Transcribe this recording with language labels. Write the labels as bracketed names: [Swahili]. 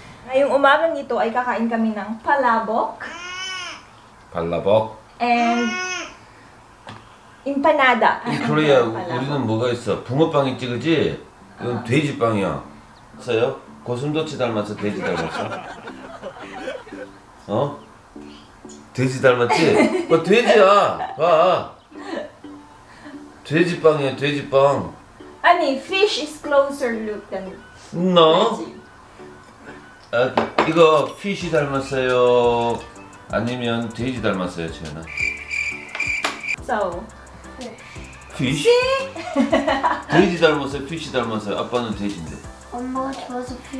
[Filipino] Ngayong umagang ito ay kakain kami ng palabok. Palabok? [English] And empanada. In Korea, [Korean] 우리는 뭐가 있어? 붕어빵 있지, 그지? 이건 돼지빵이야. 있어요? 고슴도치 닮아서 돼지 닮았어? 어? 돼지 닮았지? 뭐 돼지야! 봐! 돼지빵이야, 돼지빵. 아니, [English] fish is closer look than [Korean] 나? 돼지. 아, 이거 fish 닮았어요? 아니면 돼지 닮았어요, 채연아? [English] So, fish? fish? [Korean] 돼지 닮았어요, fish 닮았어요? 아빠는 돼지인데. 엄마가 좋아서 fish.